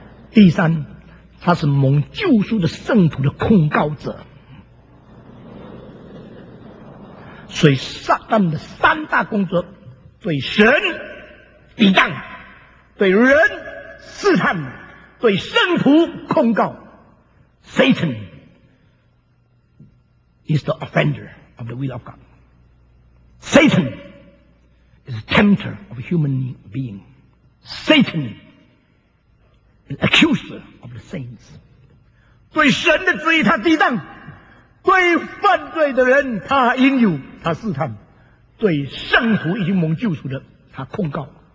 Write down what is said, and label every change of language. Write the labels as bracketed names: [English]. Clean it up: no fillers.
[Chinese] 第三，他是蒙救赎的圣徒的控告者。所以撒旦的三大工作，对神抵挡，对人试探，对圣徒控告。 [English] Satan is the offender of the will of God. Satan is the tempter of a human being. Satan is the accuser of the saints. [Chinese] 对神的旨意他抵挡，对犯罪的人他应有，他试探，对圣徒已经蒙救赎的他控告。